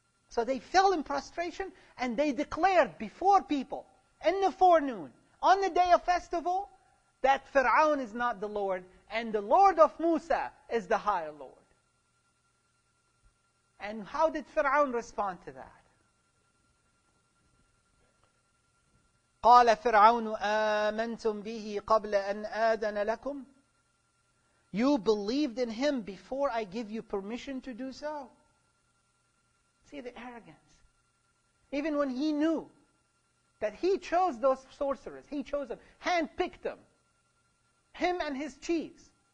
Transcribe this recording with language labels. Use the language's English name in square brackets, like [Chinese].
[English] So they fell in prostration and they declared before people in the forenoon, on the day of festival, that Fir'aun is not the Lord and the Lord of Musa is the higher Lord. And how did Fir'aun respond to that? [Arabic] قال فرعون آمنتم به قبل أن آذن لكم. [English] You believed in him before I give you permission to do so. See the arrogance. Even when he knew that he chose those sorcerers, he chose them, handpicked them, him and his chiefs.